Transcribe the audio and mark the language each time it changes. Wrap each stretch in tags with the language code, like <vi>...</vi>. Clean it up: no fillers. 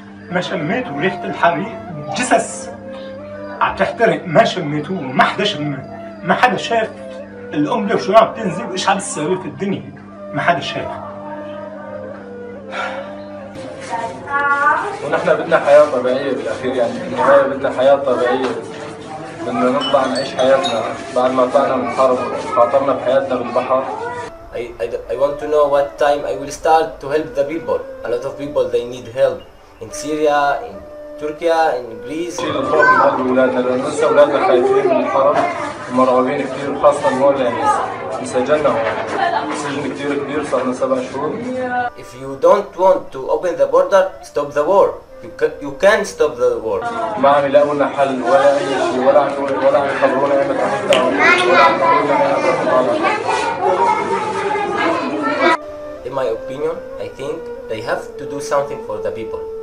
<ar>ما شميت وريحة الحريق جسس عم تحترق، ما شميتوه، ما حدا شميت، ما حدا شاف القنبلة وشو عم تنزل وإيش عم تساوي في الدنيا، ما حدا شاف. ونحن بدنا حياة طبيعية بالأخير، يعني في النهاية بدنا حياة طبيعية، بدنا نطلع نعيش حياتنا بعد ما طلعنا من الحرب وخاطرنا بحياتنا بالبحر.</ar> <en>I want to know what time I will start to help the people. A lot of people they need help in Syria, in Turkey, in Greece.</en> <ar>نشيل الخوف من قلب أولادنا، لأن لسه أولادنا خايفين من الحرب ومرعوبين كثير، خاصة هون لأن انسجننا هون سجن كثير كبير، صار لنا 7 شهور.</ar> <en>If you don't want to open the border, stop the war. You can stop the war.</en> <ar>ما عم يلاقوا لنا حل ولا أي شيء، ولا عم يخبرونا أيمتى حنطلع، ولا عم يخبرونا أيمتى حنطلع.</ar> <en>In my opinion, I think they have to do something for the people.</en>